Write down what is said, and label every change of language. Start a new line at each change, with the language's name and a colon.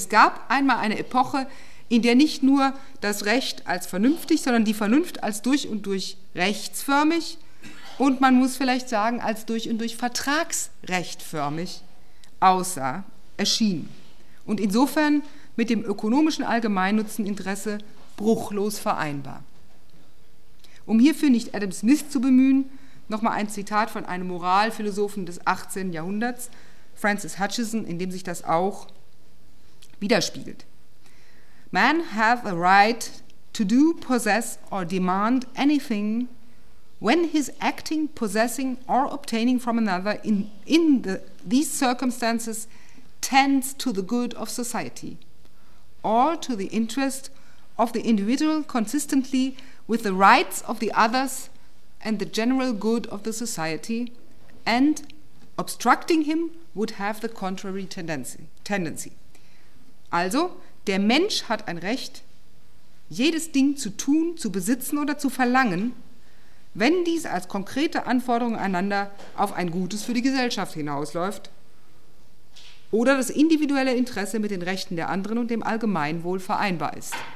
German: Es gab einmal eine Epoche, in der nicht nur das Recht als vernünftig, sondern die Vernunft als durch und durch rechtsförmig und man muss vielleicht sagen, als durch und durch vertragsrechtförmig aussah, erschien und insofern mit dem ökonomischen Allgemeinnutzeninteresse bruchlos vereinbar. Um hierfür nicht Adam Smith zu bemühen, nochmal ein Zitat von einem Moralphilosophen des 18. Jahrhunderts, Francis Hutcheson, in dem sich das auch widerspiegelt.
English: Man hath a right to do, possess or demand anything when his acting, possessing or obtaining from another in these circumstances tends to the good of society or to the interest of the individual consistently with the rights of the others and the general good of the society and obstructing him would have the contrary tendency.
German: Also, der Mensch hat ein Recht, jedes Ding zu tun, zu besitzen oder zu verlangen, wenn dies als konkrete Anforderung einander auf ein Gutes für die Gesellschaft hinausläuft oder das individuelle Interesse mit den Rechten der anderen und dem Allgemeinwohl vereinbar ist.